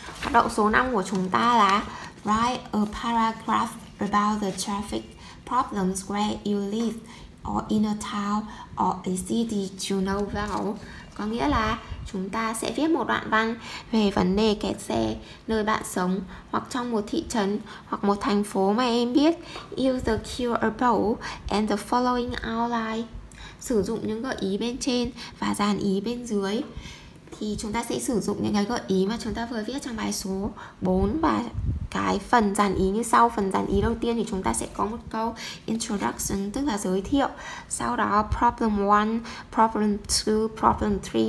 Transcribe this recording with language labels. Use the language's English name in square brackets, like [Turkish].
[Vietnamese] Hoạt động số 5 của chúng ta là [English] write a paragraph about the traffic problems where you live or in a town or a city you know well. [Vietnamese] Có nghĩa là chúng ta sẽ viết một đoạn văn về vấn đề kẹt xe nơi bạn sống hoặc trong một thị trấn hoặc một thành phố mà em biết. [English] Use the cue above and the following outline. [Vietnamese] Sử dụng những gợi ý bên trên và dàn ý bên dưới. Thì chúng ta sẽ sử dụng những cái gợi ý mà chúng ta vừa viết trong bài số 4. Và cái phần dàn ý như sau. Phần dàn ý đầu tiên thì chúng ta sẽ có một câu introduction, tức là giới thiệu. Sau đó [English] problem 1, problem 2, problem 3.